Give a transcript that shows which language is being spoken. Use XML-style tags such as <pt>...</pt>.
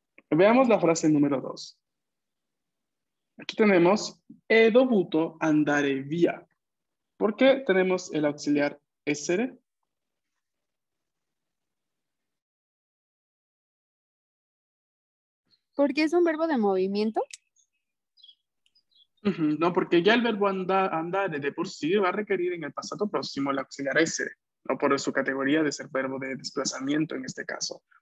<es>Veamos la frase número dos. Aquí tenemos:</es> <it>he dovuto andare via.</it> <es>¿Por qué tenemos el auxiliar essere? ¿Porque es un verbo de movimiento? No, porque ya el verbo andare de por sí va a requerir en el pasado próximo el auxiliar essere, no por su categoría de ser verbo de desplazamiento en este caso.</es>